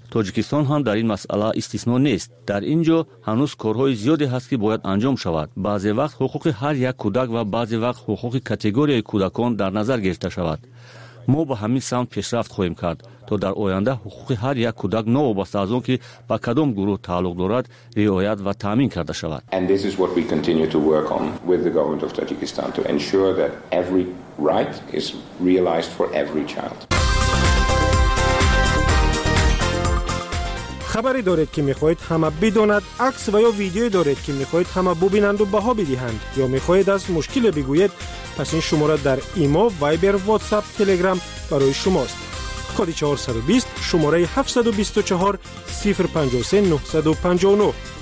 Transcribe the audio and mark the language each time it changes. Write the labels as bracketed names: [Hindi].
[Persian] تاجیکستان هم در این مسئله استثنا نیست. در اینجا هنوز کارهای زیادی هست که باید انجام شود. بعضی وقت حقوق هر یک کودک و بعضی وقت حقوق کاتگوری کودکان در نظر گرفته شود. ما به همین سمت پیشرفت خواهیم کرد تا در آینده حقوق هر یک کودک نو وابسته از آن که با کدام گروه تعلق دارد رعایت و تامین کرده شود. [English] And this is what we continue to work on with the government of Tajikistan to ensure that every right is realized for every child. [Persian] خبری دارید که میخواهید همه بدانند؟ عکس و یا ویدیوی دارید که میخواهید همه ببینند و بها بدهند؟ یا میخواهید از مشکل بگویید؟ پس این شماره در ایمو، وایبر، واتساپ، تلگرام برای شماست. کد 420 شماره 724 053 959.